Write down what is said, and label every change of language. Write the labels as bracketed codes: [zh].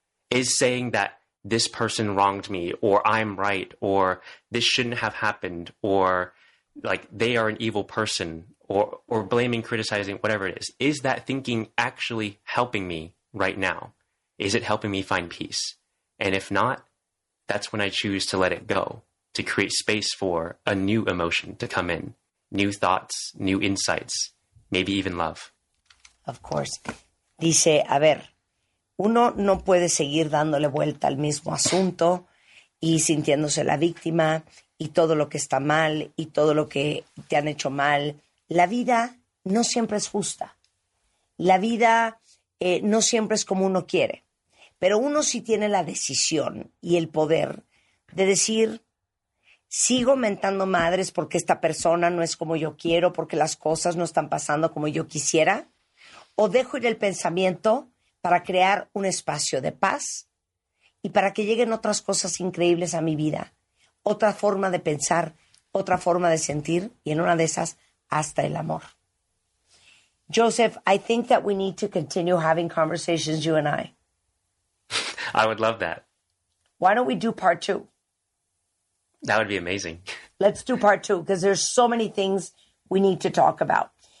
[en] Is saying that this person wronged me or I'm right or this shouldn't have happened or like they are an evil person or blaming, criticizing, whatever it is that thinking actually helping me right now? Is it helping me find peace? And if not, that's when I choose to let it go, to create space for a new emotion to come in, new thoughts, new insights, maybe even love. Of course. [es] Dice, a ver, uno no puede seguir dándole vuelta al mismo asunto y sintiéndose la víctima y todo lo que está mal y todo lo que te han hecho mal. La vida no siempre es justa. La vida no siempre es como uno quiere. Pero uno sí tiene la decisión y el poder de decir, sigo mentando madres porque esta persona no es como yo quiero, porque las cosas no están pasando como yo quisiera, o dejo ir el pensamiento para crear un espacio de paz y para que lleguen otras cosas increíbles a mi vida, otra forma de pensar, otra forma de sentir, y en una de esas, hasta el amor. [en] Joseph, I think that we need to continue having conversations, you and I. I would love that. Why don't we do part two? That would be amazing. Let's do part two, because there's so many things we need to talk about.